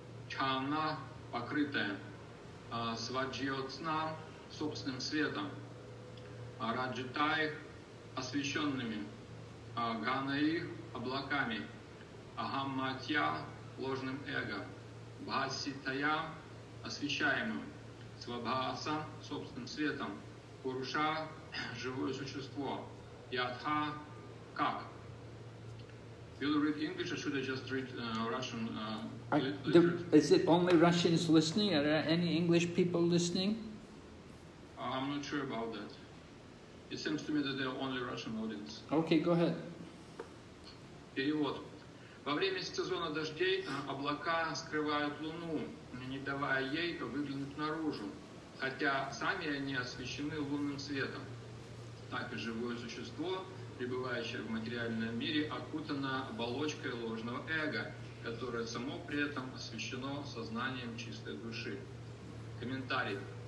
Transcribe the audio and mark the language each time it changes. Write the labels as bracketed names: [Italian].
[Russian] Чана покрытая, сваджиотсна собственным светом, раджитай освещенными, ганаи облаками, агамматья ложным эго, бхаситая освещаемым, свабхаса собственным светом, куруша живое существо, ядха как. [English] You'll read English, or should I just read Russian? Is it only Russians listening? Are there any English people listening? I'm not sure about that. It seems to me that they are only Russian audience. Okay, go ahead. [Russian] Перевод. Во время сезона дождей облака скрывают луну, не давая ей выглянуть наружу, хотя сами они освещены лунным светом. Так и живое существо, пребывающее в материальном мире, окутано оболочкой ложного эго, которое само при этом освящено сознанием чистой души. Комментарий.